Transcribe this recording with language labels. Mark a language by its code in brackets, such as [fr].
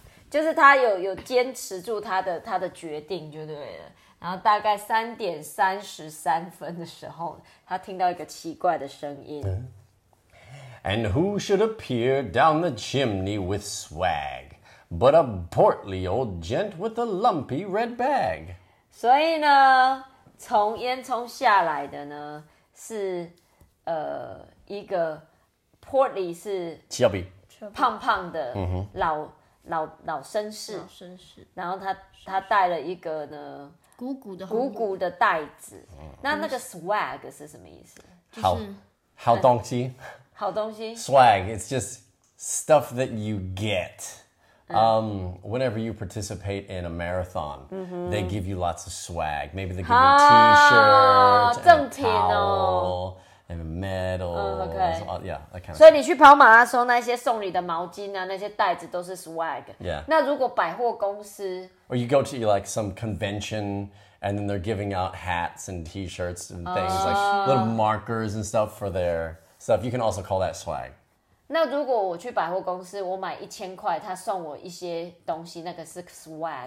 [zh] 就是他有坚持住他的决定就对了。然后大概3:33的时候，他听到一个奇怪的声音。 [en] And who should appear down the chimney with swag but a portly old gent with a lumpy red bag？ [zh] 所以呢，从烟囱下来的呢是一个 portly 是 [en] chubby [zh] 胖胖的老绅士，老绅士。然后他带了一个呢鼓鼓的袋子。那个 swag 是什么意思？好东西。好东西。 [en] Swag it's just stuff that you get。 Whenever you participate in a marathon,、mm-hmm. they give you lots of swag. Maybe they give you a T-shirt, [zh] 正品哦、 [en] and a towel, and a medal.、 Okay. So, yeah, that kind of. [zh] 所以你去跑马拉松，那些送你的毛巾啊，那些袋子都是 swag. [en] Yeah. [zh] 那如果百货公司 [en] ，or you go to like some convention and then they're giving out hats and T-shirts and things、like little markers and stuff for their stuff. You can also call that swag. [zh] 那如果我去百货公司，我买1000块，他送我一些东西，那个是 swag 吗？